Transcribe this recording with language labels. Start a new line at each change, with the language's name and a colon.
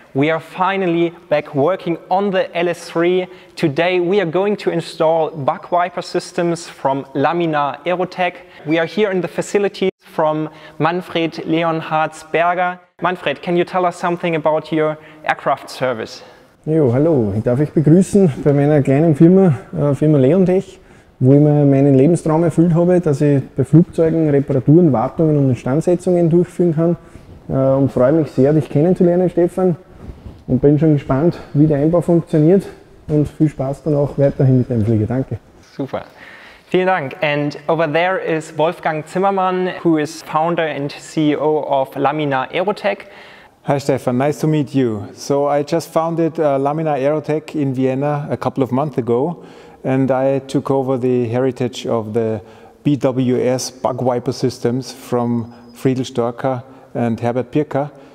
English: We are finally back working on the LS3. Today we are going to install Bugwiper systems from Laminar Aerotech. We are here in the facilities from Manfred Leonhardt Berger. Manfred, can you tell us something about your aircraft service?
German: Jo, hallo, ich darf euch begrüßen bei meiner kleinen Firma, Firma Leontech, wo ich mir meinen Lebenstraum erfüllt habe, dass ich bei Flugzeugen Reparaturen, Wartungen und Instandsetzungen durchführen kann. Und freue mich sehr, dich kennenzulernen, Stefan, und bin schon gespannt, wie der Einbau funktioniert, und viel Spaß dann auch weiterhin mit deinem Flieger. Danke. Super. Vielen Dank.
English: And over there is Wolfgang Zimmermann, who is founder and CEO of Laminar Aerotech. Hi Stefan, nice to meet you. So I just founded Laminar Aerotech in Vienna a couple of months ago, and I took over the heritage of the BWS Bugwiper systems from Friedel Störker and Herbert Pirker.